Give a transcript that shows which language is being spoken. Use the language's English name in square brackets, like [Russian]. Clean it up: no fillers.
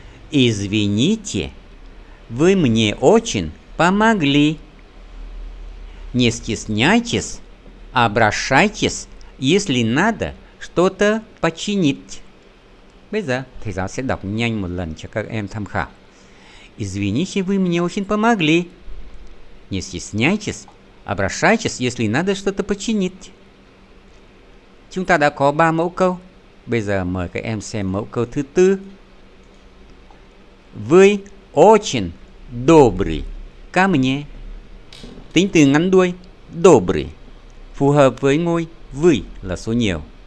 [Russian] Извините, вы мне очень помогли. Не стесняйтесь, обращайтесь, если надо что-то починить. [Vietnamese] Bây giờ, thầy giáo sẽ đọc nhanh một lần cho các em tham khảo. [Russian] Извините, вы мне очень помогли. Не стесняйтесь, обращайтесь, если надо что-то починить. [Vietnamese] Chúng ta đã có 3 mẫu câu. Bây giờ mời các em xem mẫu câu thứ 4. [Russian] Вы очень добрый ко мне. [Vietnamese] Tính từ ngắn đuôi, добрый, phù hợp với ngôi вы là số nhiều.